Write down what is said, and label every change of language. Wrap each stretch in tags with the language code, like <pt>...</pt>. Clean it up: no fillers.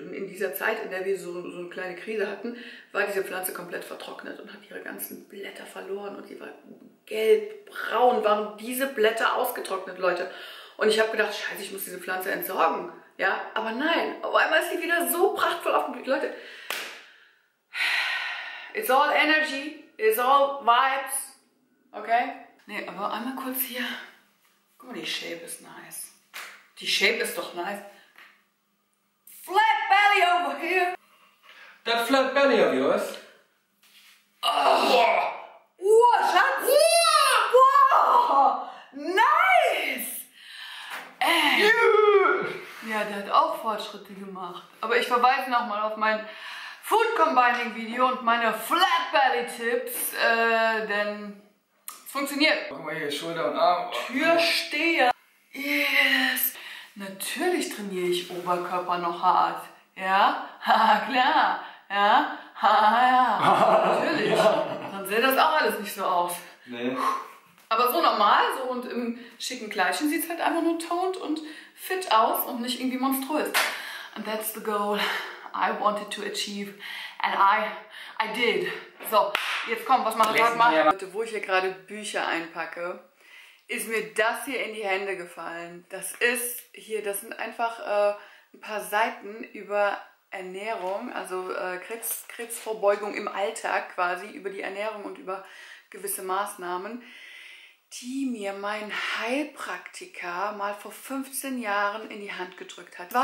<de>Und in dieser Zeit, in der wir so eine kleine Krise hatten, war diese Pflanze komplett vertrocknet und hat ihre ganzen Blätter verloren und die war gelbbraun. Waren diese Blätter ausgetrocknet, Leute? Und ich habe gedacht, scheiße, ich muss diese Pflanze entsorgen. Ja, aber nein, auf einmal ist sie wieder so prachtvoll aufgeblüht.</de> <en>Leute, it's all energy, it's all vibes, okay?</en> <de>Nee, aber einmal kurz hier. Guck mal, die Shape ist nice. Die Shape ist doch nice.</de> <en>Flat belly over here. That flat belly of yours? Oh, yeah. Wow, Schatz. Yeah. Wow, nice.</en> <de>Ja, der hat auch Fortschritte gemacht. Aber ich verweise nochmal auf mein Food Combining Video und meine Flat Belly Tipps, denn es funktioniert. Guck mal hier, Schulter und Arm. Türsteher. Yes. Natürlich trainiere ich Oberkörper noch hart. Ja? Klar. Ja? Ja. Natürlich. Ja. Sonst sieht das auch alles nicht so aus. Nee. Aber so normal, so und im schicken Kleidchen sieht es halt einfach nur toned und fit aus und nicht irgendwie monströs.</de> <en>And that's the goal I wanted to achieve. And I did.</en> <de>So, jetzt komm, was machen wir heute? Wo ich hier gerade Bücher einpacke, ist mir das hier in die Hände gefallen. Das ist hier, das sind einfach ein paar Seiten über Ernährung, also Krebsvorbeugung im Alltag quasi, über die Ernährung und über gewisse Maßnahmen, die mir mein Heilpraktiker mal vor 15 Jahren in die Hand gedrückt hat.</de>